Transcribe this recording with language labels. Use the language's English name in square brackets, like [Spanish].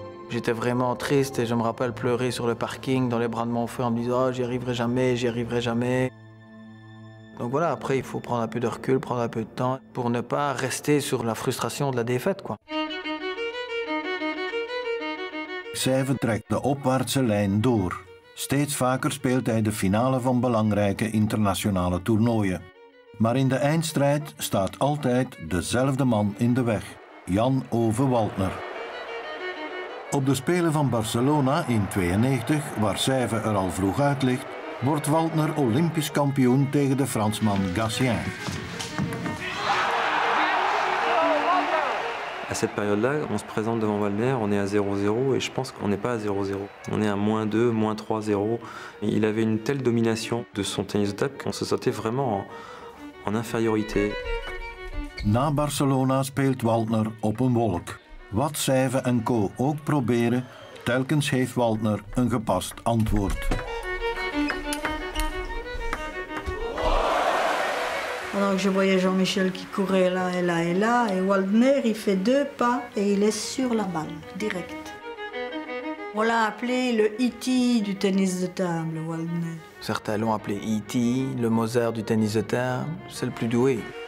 [French] J'étais vraiment triste et je me rappelle pleurer sur le parking dans les bras de mon frère en me disant « Oh, j'y arriverai jamais, j'y arriverai jamais. » Donc voilà, après il faut prendre un peu de recul, prendre un peu de temps pour ne pas rester sur la frustration de la défaite, quoi. [Dutch] Sève trekt de opwaartse lijn door. Steeds vaker speelt hij de finale van belangrijke internationale toernooien. Maar in de eindstrijd staat altijd dezelfde man in de weg, Jan-Ove Waldner. Op de Spelen van Barcelona in 92, waar Sève er al vroeg uit ligt, wordt Waldner Olympisch kampioen tegen de Fransman Gatien. [French] À cette période-là, on se présente devant Waldner, on est à 0-0 et je pense qu'on n'est pas à 0-0. On est à -2, -3-0. Il avait une telle domination de son tennis de table qu'on se sentait vraiment en infériorité. [Dutch] Na Barcelona speelt Waldner op een wolk. Wat Sève en co. ook proberen, telkens heeft Waldner een gepast antwoord. [French] Alors je voyais Jean-Michel qui courait là et là et là, et Waldner il fait deux pas et il est sur la balle, direct. On l'a appelé le E.T. du tennis de table, Waldner. Certains l'ont appelé E.T., le Mozart du tennis de table, c'est le plus doué.